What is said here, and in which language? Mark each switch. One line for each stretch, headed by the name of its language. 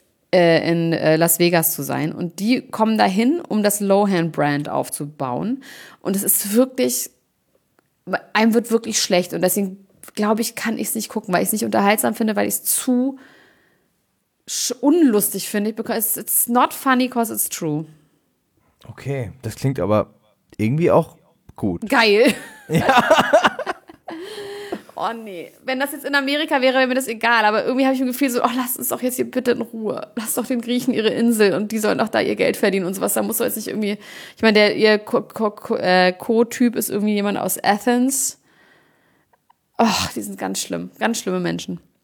German: in Las Vegas zu sein. Und die kommen dahin, um das Lohan-Brand aufzubauen. Und es ist wirklich, einem wird wirklich schlecht. Und deswegen, glaube ich, kann ich es nicht gucken, weil ich es nicht unterhaltsam finde, weil ich es zu unlustig finde.
English: Because it's not funny, because it's true.
German: Okay, das klingt aber irgendwie auch gut. Geil. Ja. Oh nee, wenn das jetzt in Amerika wäre, wäre mir das egal, aber irgendwie habe ich ein Gefühl so, oh, lass uns doch jetzt hier bitte in Ruhe, lass doch den Griechen ihre Insel und die sollen doch da ihr Geld verdienen und sowas, da muss doch jetzt nicht irgendwie, ich meine, ihr Co-Typ ist irgendwie jemand aus Athens, ach, oh, die sind ganz schlimme Menschen.